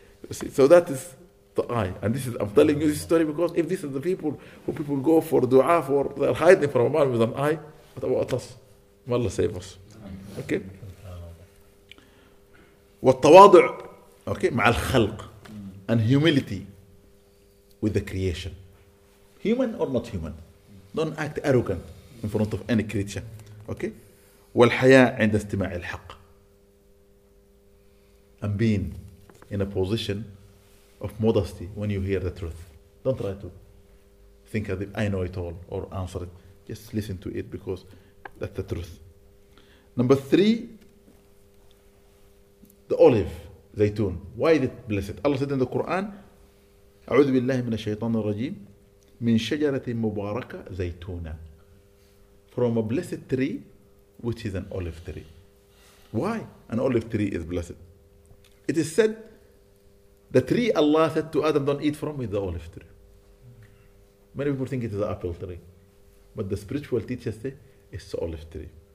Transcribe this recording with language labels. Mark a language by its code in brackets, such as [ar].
[en] See, so that is the eye. And this is, I'm telling you this story because if this is the people who people go for dua for, they're hiding from a man with an eye, what about us? May Allah save us. Okay? [ar] والتواضع, [en] okay, [ar] مع الخلق, [en] and humility with the creation. Human or not human, don't act arrogant in front of any creature. Okay? [ar] والحياء عند استماع الحق. [en] And being in a position of modesty when you hear the truth. Don't try to think as if I know it all or answer it. Just listen to it because that's the truth. Number three, the olive, zaytun. Why is it blessed? Allah said in the Quran, [ar] أعوذ بالله من الشيطان الرجيم من شجرة مباركة زيتونة. [en] From a blessed tree, which is an olive tree. Why? An olive tree is blessed. It is said, the tree Allah said to Adam, don't eat from, is the olive tree. Many people think it is the apple tree. But the spiritual teachers say, it's the olive tree.